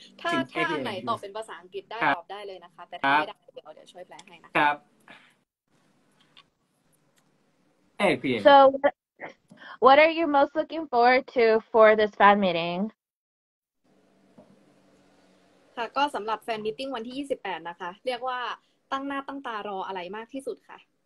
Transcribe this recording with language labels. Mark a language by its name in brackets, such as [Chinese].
[Thai] ถ้าท่านไหนตอบเป็นภาษาอังกฤษได้ตอบได้เลยนะคะแต่ถ้าไม่ได้เดี๋ยวช่วยแปลให้นะ ครับ8 p.m. [English] So, what are you most looking forward to for this fan meeting? [Thai] ค่ะก็สำหรับแฟนมีตติ้งวันที่28นะคะเรียกว่าตั้งหน้าตั้งตารออะไรมากที่สุดค่ะ